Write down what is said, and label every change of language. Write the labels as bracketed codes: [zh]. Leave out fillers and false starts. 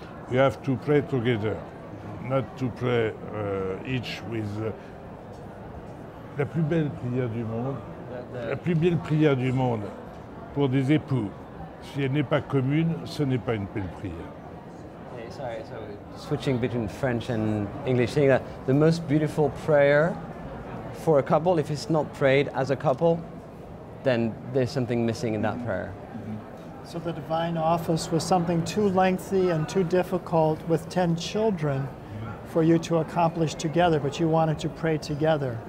[en] We have to pray together, not to pray each with [fr] la plus belle prière du monde. La plus belle prière du monde pour des époux. Si elle n'est pas commune, ce n'est pas une belle prière. [en] Sorry, so switching between French and English, saying that the most beautiful prayer for a couple, if it's not prayed as a couple, then there's something missing in that prayer. Mm-hmm. So the divine office was something too lengthy and too difficult with 10 children for you to accomplish together, but you wanted to pray together.